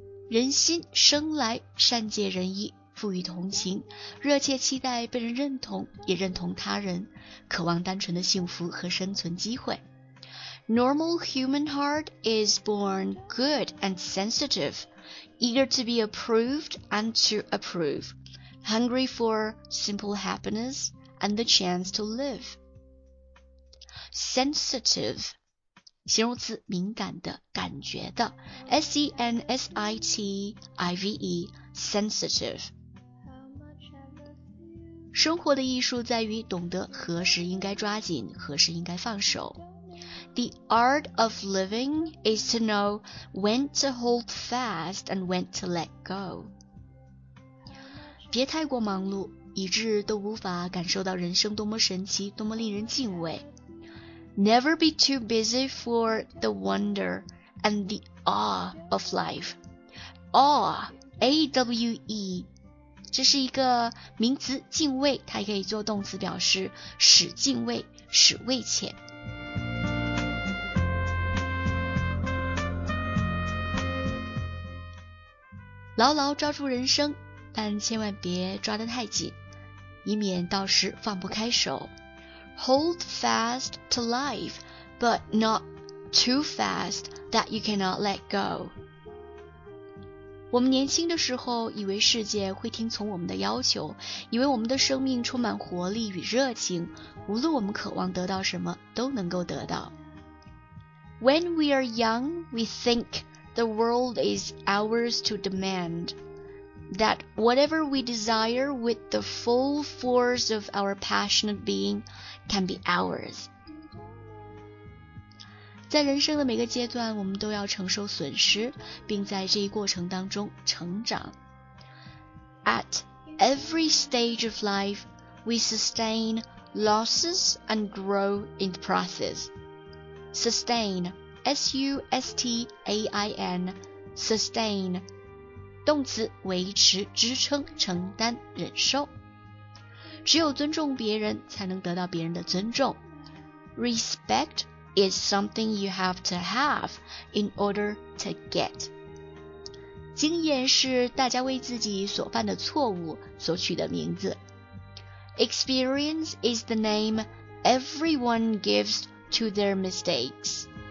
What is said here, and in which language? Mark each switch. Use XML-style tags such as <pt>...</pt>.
<zh>人心生来善解人意，富于同情，热切期待被人认同，也认同他人，渴望单纯的幸福和生存机会。</zh> <en>Normal human heart is born good and sensitive, eager to be approved and to approve, hungry for simple happiness and the chance to live.</en> <zh>Sensitive, 形容词，敏感的，感觉的， S-E-N-S-I-T-I-V-E, sensitive. 生活的艺术在于懂得何时应该抓紧，何时应该放手。</zh> <en>The art of living is to know when to hold fast and when to let go.</en> <zh>别太过忙碌，以致都无法感受到人生多么神奇，多么令人敬畏。</zh> <en>Never be too busy for the wonder and the awe of life.</en> <zh>Awe, A-W-E, 这是一个名词，敬畏，它也可以做动词表示，使敬畏，使畏怯。牢牢抓住人生，但千万别抓得太紧，以免到时放不开手。</zh> <en>Hold fast to life, but not too fast that you cannot let go.</en> <zh>我们年轻的时候以为世界会听从我们的要求，以为我们的生命充满活力与热情，无论我们渴望得到什么都能够得到。</zh> <en>When we are young, we think,The world is ours to demand, that whatever we desire with the full force of our passionate being can be ours.</en> <zh>在人生的每个阶段，我们都要承受损失，并在这一过程当中成长。</zh> <en>At every stage of life, we sustain losses and grow in the process.</en> <zh>Sustain. S-U-S-T-A-I-N, sustain, 动词，维持、支撑、承担、忍受。只有尊重别人，才能得到别人的尊重。</zh> <en>Respect is something you have in order to get.</en> <zh>经验是大家为自己所犯的错误所取的名字。</zh> <en>Experience is the name everyone gives to their mistakes.</en>